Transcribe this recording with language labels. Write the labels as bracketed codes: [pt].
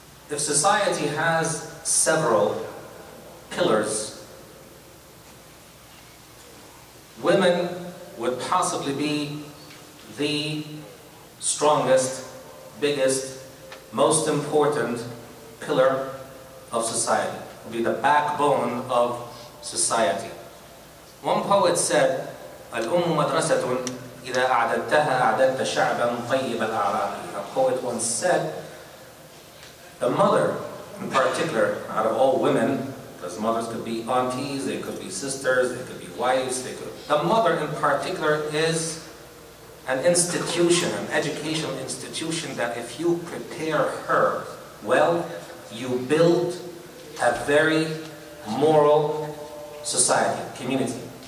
[en] If society has several pillars, women would possibly be the strongest, biggest, most important pillar of society, would be the backbone of society. One poet said, [ar] "الأم مدرسة إذا أعددتها أعددت شعبا طيب الأعراق." [en] A poet once said, "A mother, in particular, out of all women, because mothers could be aunties, they could be sisters, they could be wives, they could..." The mother, in particular, is an institution, an educational institution, that if you prepare her well, you build a very moral society, community.